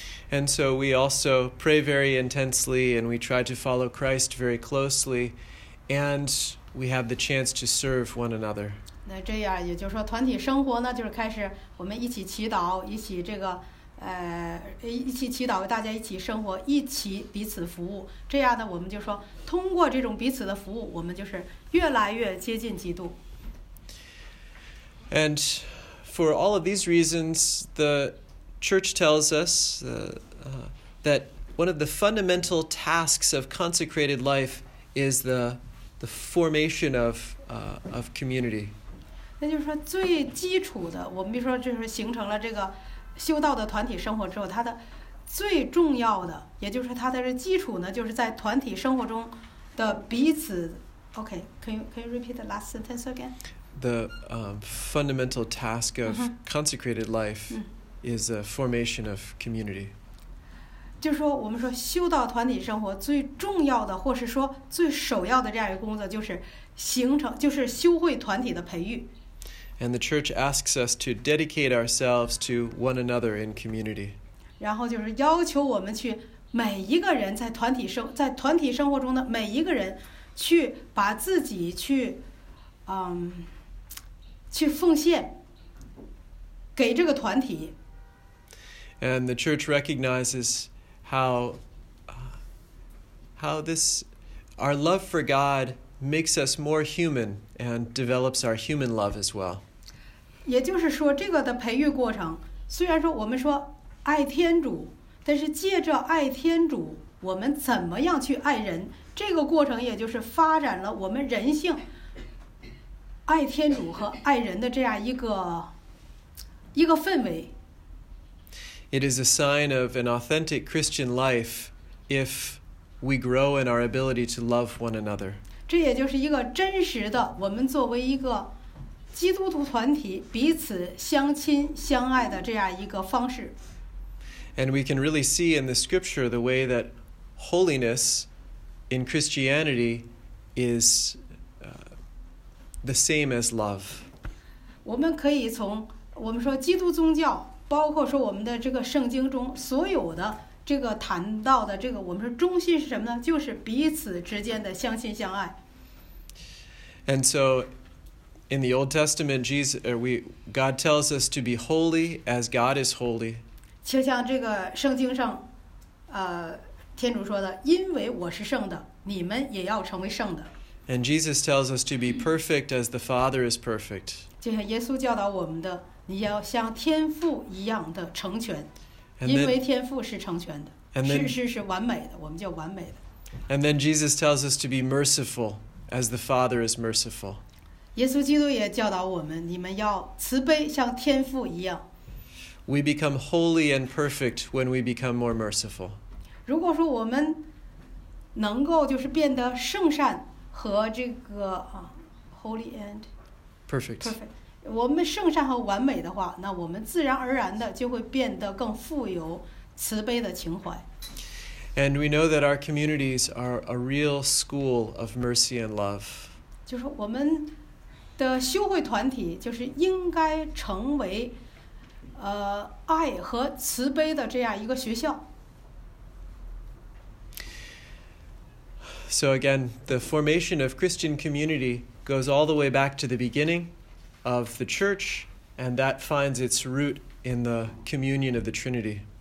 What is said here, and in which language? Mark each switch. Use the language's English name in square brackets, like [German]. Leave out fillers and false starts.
[English] And so we also pray very intensely, and we try to follow Christ very closely, and we have the chance to serve one another. [Chinese] 那这样也就是说，团体生活呢，就是开始我们一起祈祷，一起这个一起祈祷，大家一起生活，一起彼此服务。这样呢，我们就说，通过这种彼此的服务，我们就是越来越接近基督。 [English] And for all of these reasons, the Church tells us that one of the fundamental tasks of consecrated life is the formation of community. [Chinese] 那就是说最基础的，我们比如说就是形成了这个修道的团体生活之后，它的最重要的，也就是它的基础呢，就是在团体生活中的彼此。 [English] Okay, can you repeat the last sentence again? The fundamental task of consecrated life. Is a formation of community. [Chinese] 就是说，我们说修道团体生活最重要的，或是说最首要的这样一个工作，就是形成，就是修会团体的培育。 [English] And the church asks us to dedicate ourselves to one another in community. [Chinese] 然后就是要求我们去每一个人在团体生活中的每一个人，去把自己去奉献给这个团体。 [English] And the church recognizes how this our love for God makes us more human and develops our human love as well. [Chinese] 也就是说，这个的培育过程，虽然说我们说爱天主，但是借着爱天主，我们怎么样去爱人？这个过程也就是发展了我们人性爱天主和爱人的这样一个氛围。 [English] It is a sign of an authentic Christian life if we grow in our ability to love one another. [Chinese] 这也就是一个真实的，我们作为一个基督徒团体彼此相亲相爱的这样一个方式。 [English] And we can really see in the scripture the way that holiness in Christianity is the same as love. [Chinese] 我们可以从我们说基督宗教包括说我们的这个圣经中所有的这个谈到的这个我们说忠心是什么呢？就是彼此之间的相亲相爱。 [English] And so in the Old Testament, God tells us to be holy as God is holy. [Chinese] 就像这个圣经上天主说的，因为我是圣的，你们也要成为圣的。 [English] And Jesus tells us to be perfect as the Father is perfect. [Chinese] 就像耶稣教导我们的，你要像天父一样的成全。因为天父是成全的，是完美的，我们叫完美的。 [English] And then Jesus tells us to be merciful as the Father is merciful. [Chinese] 耶稣基督也教导我们，你们要慈悲，像天父一样。 [English] We become holy and perfect when we become more merciful. [Chinese] 如果说我们能够就是变得圣善和这个 [English] holy and perfect。 [Chinese] 我们圣善和完美的话，那我们自然而然的就会变得更富有慈悲的情怀。 [English] And we know that our communities are a real school of mercy and love. [Chinese] 就是我们的修会团体就是应该成为爱和慈悲的这样一个学校。 [English] So again, the formation of Christian community goes all the way back to the beginning. Of the church, and that finds its root in the communion of the Trinity.